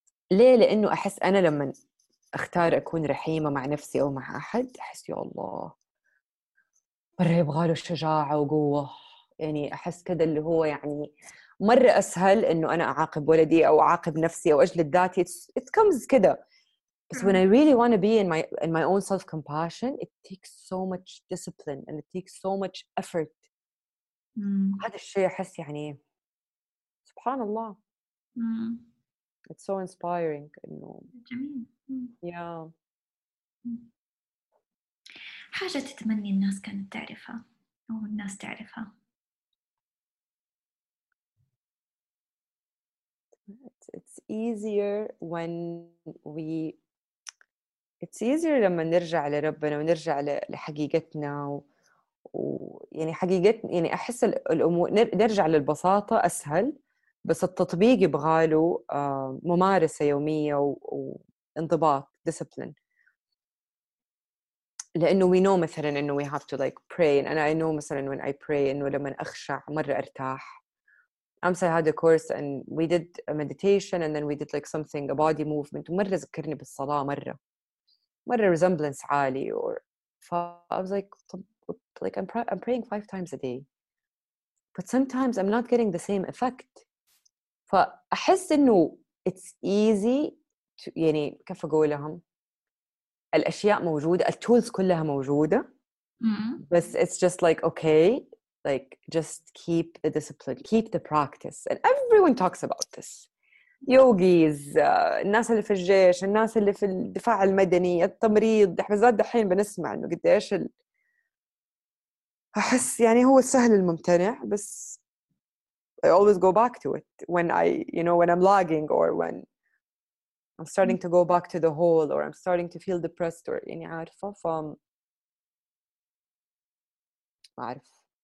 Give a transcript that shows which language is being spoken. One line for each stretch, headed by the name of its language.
Arabic: ليه؟ لأنه أحس أنا لما أختار أكون رحيمة مع نفسي أو مع أحد أحس يا الله مرة يبغاله شجاعة وقوة، يعني أحس كده اللي هو يعني مرة أسهل إنه أنا أعاقب ولدي أو أعاقب نفسي أو أجلد ذاتي.
English: It comes كده. But when I really want to be in my own self-compassion, it takes so much discipline and it takes so much effort.
Arabic: هذا الشيء أحس يعني سبحان الله.
English: It's so inspiring. إنه
Arabic: جميل.
English: Yeah.
Arabic: حاجة تتمني الناس كانت تعرفها أو الناس تعرفها.
English: It's easier when we. It's easier
Arabic: لما نرجع لربنا ونرجع لحقيقتنا ويعني حقيقتنا، يعني أحس الأمور نرجع للبساطة أسهل، بس التطبيق يبغاله ممارسة يومية وانضباط discipline.
English: لأنه we know مثلاً إنه we have to like pray and أنا I know مثلاً when I pray
Arabic: إنه لما أخشع مرة أرتاح.
English: أمس I had a course and we did a meditation and then we did like something, a body movement.
Arabic: مرة ذكرني بالصلاة مرة
English: resemblance عالي or I was like I'm praying 5 times a day. But sometimes I'm not getting the same effect.
Arabic: فأحس إنه
English: it's easy to,
Arabic: يعني كيف أقولهم؟ الأشياء موجودة، التولز كلها موجودة.
English: بس it's just like okay. Like, just keep the discipline, keep the practice. And everyone talks about this. Yogis,
Arabic: الناس اللي في الجيش, الناس اللي في الدفاع المدني, التمريض, حبزات دحين بنسمع إنه قديش أحس يعني هو السهل الممتنع,
English: بس I always go back to it when I, you know, when I'm lagging or when I'm starting to go back to the hole or I'm starting to feel depressed or,
Arabic: يعني عارفة, فم عارف.